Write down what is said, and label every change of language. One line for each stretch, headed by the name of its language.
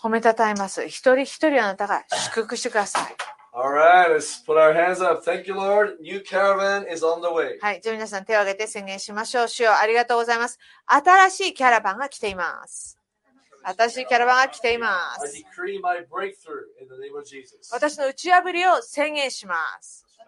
Japanese: 褒めたたえます。一人一人あなたが祝福してください。
English: All right, let's put our hands up. Thank you, Lord. New caravan is on the way.
Japanese: はい、じゃあ皆さん手を挙げて宣言しましょう。主よ、ありがとうございます。新しいキャラバンが来ています。新しいキャラバンが来ています。
English: I decree my breakthrough in the name of Jesus.
Japanese: 私の打ち破りを宣言します。